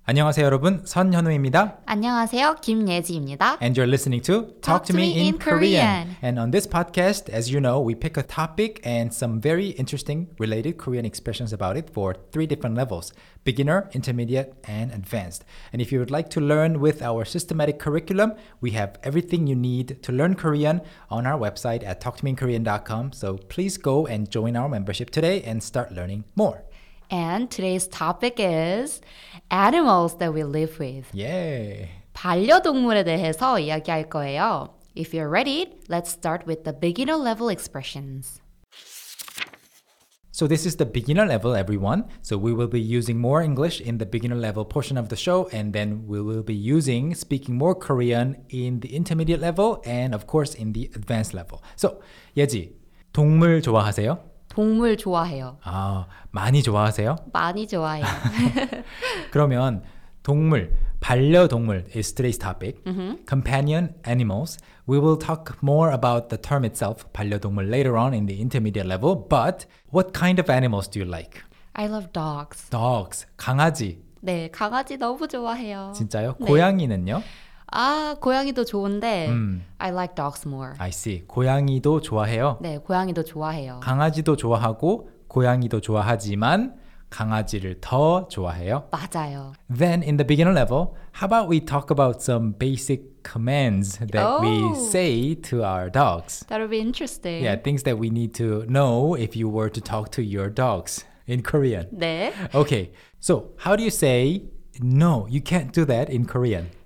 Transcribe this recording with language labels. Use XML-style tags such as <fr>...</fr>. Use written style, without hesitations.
<ko>안녕하세요 여러분, 선현우입니다. 안녕하세요, 김예지입니다.</ko> <en>And you're listening to Talk to Me in Korean. And on this podcast, as you know, we pick a topic and some very interesting related Korean expressions about it for three different levels: beginner, intermediate, and advanced. And if you would like to learn with our systematic curriculum, we have everything you need to learn Korean on our website at talktomeinkorean.com. So please go and join our membership today and start learning more. And today's topic is animals that we live with. Yay!</en> <ko>반려동물에 대해서 이야기할 거예요.</ko> <en>If you're ready, let's start with the beginner level expressions. So this is the beginner level, everyone. So we will be using more English in the beginner level portion of the show, and then we will be speaking more Korean in the intermediate level and of course in the advanced level. So,</en> <ko>예지, 동물 좋아하세요? 동물 좋아해요. 아, 많이 좋아하세요? 많이 좋아해요. 그러면 동물, 반려동물</ko> <en>is today's topic. Mm-hmm. Companion animals. We will talk more about the term itself, 반려동물, later on in the intermediate level. But what kind of animals do you like? I love dogs. Dogs, 강아지.</en> <ko>네, 강아지 너무 좋아해요. 진짜요? 네. 고양이는요? 아, 고양이도 좋은데</ko> <en>I like dogs more. I see.</en> <ko>고양이도 좋아해요? 네, 고양이도 좋아해요. 강아지도 좋아하고 고양이도 좋아하지만 강아지를 더 좋아해요? 맞아요.</ko> <en>Then in the beginner level, how about we talk about some basic commands that we say to our dogs? That'll be interesting. Yeah, things that we need to know if you were to talk to your dogs in Korean.</en> <ko>네.</ko> <en>Okay, so how do you say no, you can't do that in Korean?</en>